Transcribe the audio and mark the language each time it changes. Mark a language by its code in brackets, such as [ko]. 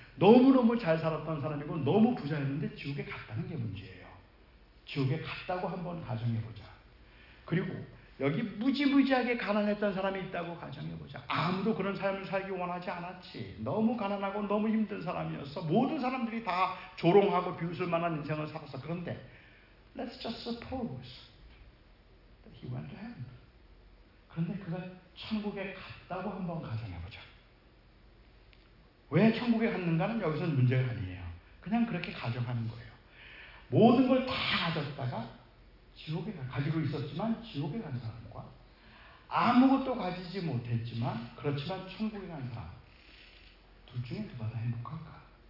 [ko] 너무너무 잘 살았던 사람이고 너무 부자였는데 지옥에 갔다는 게 문제예요. 지옥에 갔다고 한번 가정해보자. 그리고 여기 무지무지하게 가난했던 사람이 있다고 가정해보자. 아무도 그런 삶을 살기 원하지 않았지. 너무 가난하고 너무 힘든 사람이었어. 모든 사람들이 다 조롱하고 비웃을 만한 인생을 살았어. 그런데 [en] Let's just suppose that he went to heaven. [ko] 그런데 그가 천국에 갔다고 한번 가정해보자. 왜 천국에 갔는가는 여기서는 문제가 아니에요. 그냥 그렇게 가정하는 거예요. 모든 걸 다 가졌다가 지옥에 가지고 있었지만 지옥에 간 사람과 아무것도 가지지 못했지만 그렇지만 천국에 간 사람 둘 중에 누가 더 행복할까?